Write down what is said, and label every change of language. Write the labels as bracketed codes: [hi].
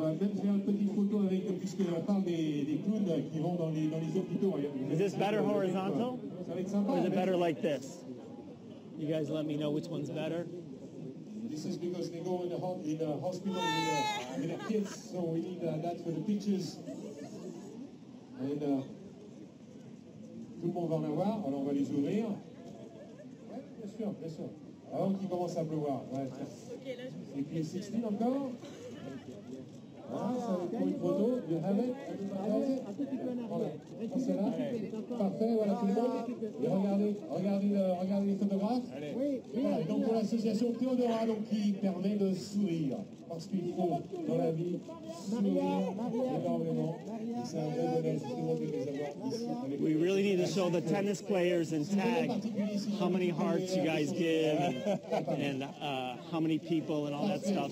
[fr] On va même faire une petite photo avec, puisque on parle des clowns qui vont dans les hôpitaux. [en] Is this better horizontal? [fr] Ça va être sympa. [en] Or is it better like this? You guys let me know which one's better. This is because they go in the hospital with the kids, so we need that for the pictures. [fr] And tout le monde va en avoir, alors on va les ouvrir. Ouais, bien sûr, bien sûr. Avant qu'il commence à pleuvoir. Ouais, ok, là je me suis. Et puis 16 encore. Ah, ah, ça va être pour une photo. [en] You have it. [fr] Voilà. Prends celle-là. Parfait, voilà tout le monde. Et regardez les photographes. Allez. Voilà, donc pour l'association Théodora, donc, qui permet de sourire. Parce qu'il faut, dans la vie, sourire énormément. [en] We really need to show the tennis players and tag how many hearts you guys give and how many people and all that stuff.